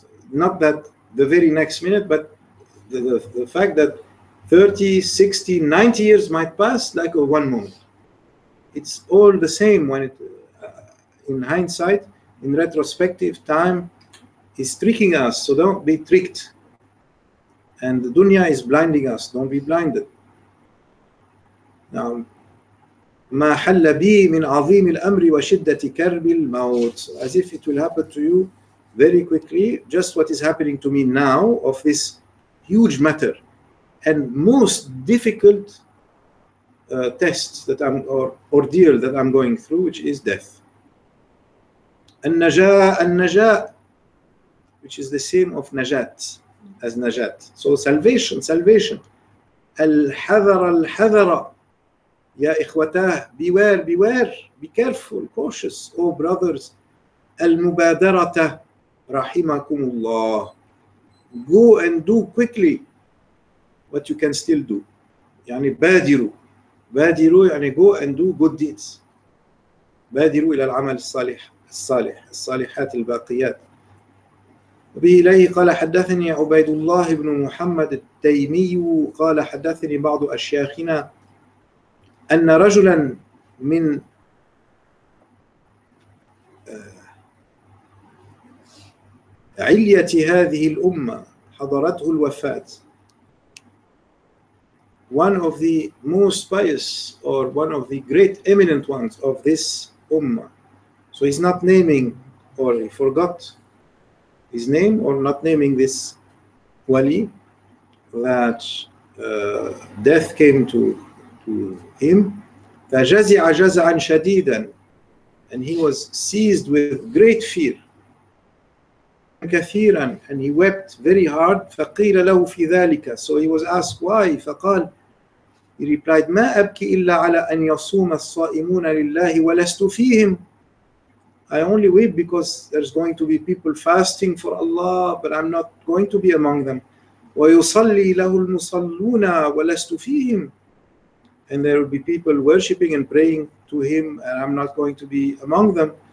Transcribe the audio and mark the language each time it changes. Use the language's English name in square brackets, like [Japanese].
[English] Not that the very next minute, but the fact that 30, 60, 90 years might pass like a one moment. It's all the same when it, in hindsight, in retrospective, time is tricking us. So don't be tricked. And the dunya is blinding us. Don't be blinded. [Arabic] Now, ما حل بي من عظيم الأمر وشدة كرب الموت. [English] As if it will happen to you very quickly, just what is happening to me now of this huge matter and most difficult tests that I'm or ordeal that I'm going through, which is death. النجاة, which is the same of نجات as نجات. So salvation. [Arabic] الحذر الحذر. يا إخوتاه, [English] beware, be careful, cautious, oh brothers. [Arabic] المبادرة, رحمكم الله. [English] Go and do quickly what you can still do. [Arabic] يعني بادروا يعني [English] go and do good deeds. [Arabic] بادروا إلى العمل الصالح, الصالحات الباقيات. وبه إليه قال حدثني عبيد الله بن محمد التيمي قال حدثني بعض أشياخنا أن رجلا من علية هذه الأمة حضرته الوفاة. [English] One of the most pious or one of the great eminent ones of this Ummah. So he's not naming or he forgot his name or not naming this Wali, that death came to him. [Arabic] فَجَزِعَ جَزَعًا شَدِيدًا. [English] And he was seized with great fear. [Arabic] كَثِيرًا. [English] And he wept very hard. [Arabic] فَقِيلَ لَهُ فِي ذَلِكَ. [English] So he was asked why. [Arabic] فقال, [English] he replied, [Arabic] مَا أَبْكِ إِلَّا عَلَىٰ أَنْ يَصُومَ الصَّائِمُونَ لِلَّهِ وَلَسْتُ فِيهِمْ. [English] I only weep because there's going to be people fasting for Allah, but I'm not going to be among them. [Arabic] وَيُصَلِّي لَهُ الْمُصَلُّونَ وَلَسْتُ فِيهِمْ. [English] And there will be people worshipping and praying to him, and I'm not going to be among them.